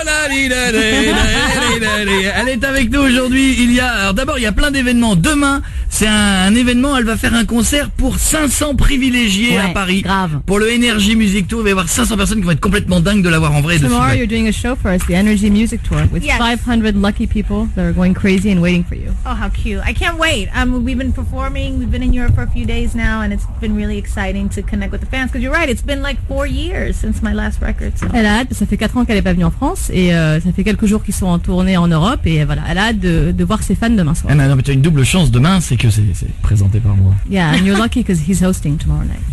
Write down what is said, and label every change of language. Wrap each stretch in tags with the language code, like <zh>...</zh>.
<fr>Elle est avec nous aujourd'hui. Il y a, alors d'abord, il y a plein d'événements. Demain, c'est un événement. Elle va faire un concert pour 500 privilégiés, ouais, à Paris. Grave. Pour le Energy Music Tour, il va y avoir 500 personnes qui vont être complètement dingues de l'avoir en vrai.</fr> <en>Tomorrow, you're doing a show for us, the Energy Music Tour, with yes. 500 lucky people that are going crazy and waiting for you. Oh, how cute! I can't wait. We've been performing. We've been in Europe for a few days now, and it's been really exciting to connect with the fans. Because you're right, it's been like 4 years since my last record. So.</en> <fr>Elle a hâte. Ça fait 4 ans qu'elle est pas venue en France et ça fait quelques jours qu'ils sont en tournée en Europe et voilà, elle a hâte de voir ses fans demain soir. Ah non, mais tu as une double chance demain, c'est que c'est présenté par moi.</fr> <en>Yeah, and you're lucky because he's hosting tomorrow night.</en>